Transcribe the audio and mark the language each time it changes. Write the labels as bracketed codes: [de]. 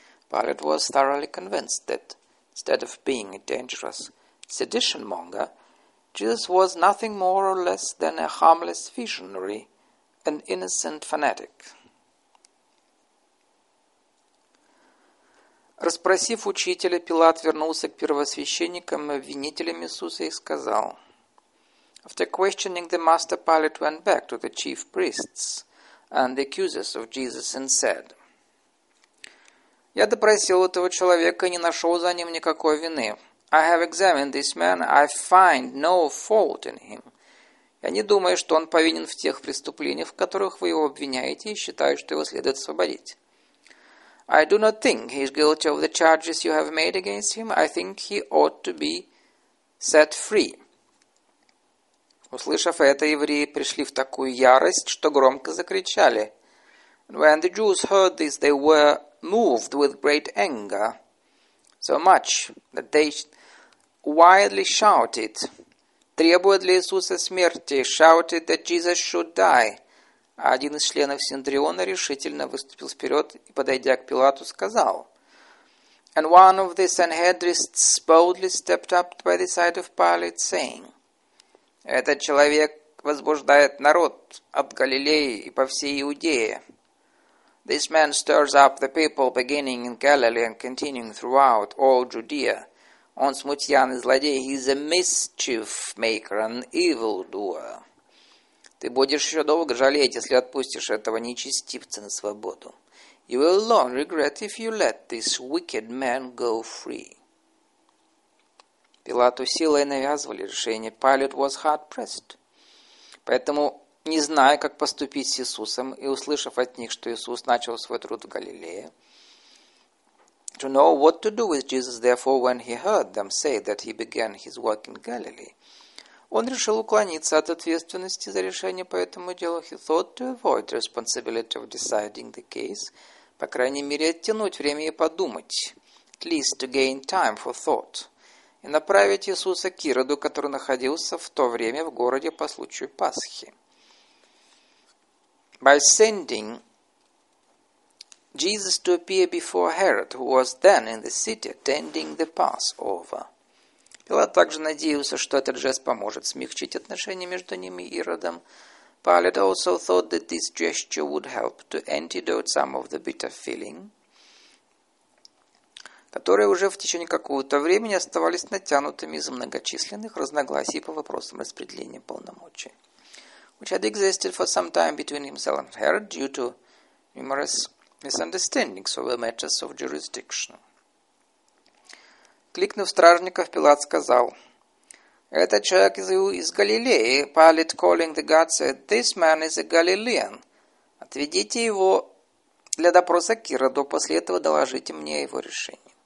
[en] Pilate was thoroughly convinced that, instead of being a dangerous sedition monger, Jesus was nothing more or less than a harmless visionary, an innocent fanatic. [ru] Расспросив учителя, Пилат вернулся к первосвященникам и обвинителям Иисуса и сказал. [en] After questioning the master, Pilate went back to the chief priests and the accusers of Jesus and said. [ru] Я допросил этого человека и не нашел за ним никакой вины. [en] I have examined this man, I find no fault in him. [ru] Я не думаю, что он повинен в тех преступлениях, в которых вы его обвиняете, и считаю, что его следует освободить. [en] I do not think he is guilty of the charges you have made against him. I think he ought to be set free. [ru] Услышав это, евреи пришли в такую ярость, что громко закричали. [en] And when the Jews heard this, they were moved with great anger, so much that they wildly shouted, [ru] требуя для Иисуса смерти, [en] shouted that Jesus should die. [ru] А один из членов Синдриона решительно выступил вперед и, подойдя к Пилату, сказал. [en] And one of the Sanhedrists boldly stepped up by the side of Pilate, saying, [ru] этот человек возбуждает народ от Галилеи и по всей Иудее. [en] This man stirs up the people beginning in Galilee and continuing throughout all Judea. [ru] Он смутьян и злодей. [en] He is a mischief maker, an evil doer. [ru] Ты будешь еще долго жалеть, если отпустишь этого нечестивца на свободу. [en] You will long regret if you let this wicked man go free. [ru] Пилату силой навязывали решение. [en] Pilate was hard pressed. [ru] Поэтому, не зная, как поступить с Иисусом, и услышав от них, что Иисус начал свой труд в Галилее, [en] to know what to do with Jesus, therefore, when he heard them say that he began his work in Galilee, [ru] он решил уклониться от ответственности за решение по этому делу. [en] He thought to avoid responsibility of deciding the case, [ru] по крайней мере, оттянуть время и подумать, [en] at least to gain time for thought, [ru] и направить Иисуса к Ироду, который находился в то время в городе по случаю Пасхи. [en] By sending Jesus to appear before Herod, who was then in the city attending the Passover. [ru] Пилат также надеялся, что этот жест поможет смягчить отношения между ними и Иродом. [en] Pilate also thought that this gesture would help to antidote some of the bitter feeling, [ru] которые уже в течение какого-то времени оставались натянутыми из-за многочисленных разногласий по вопросам распределения полномочий, [en] which had existed for some time between himself and Herod due to numerous misunderstandings over matters of jurisdiction. [ru] Кликнув стражников, Пилат сказал, этот человек из Галилеи, [en] Pilate calling the guard said, this man is a Galilean. [ru] Отведите его для допроса к Ироду, после этого доложите мне его решение.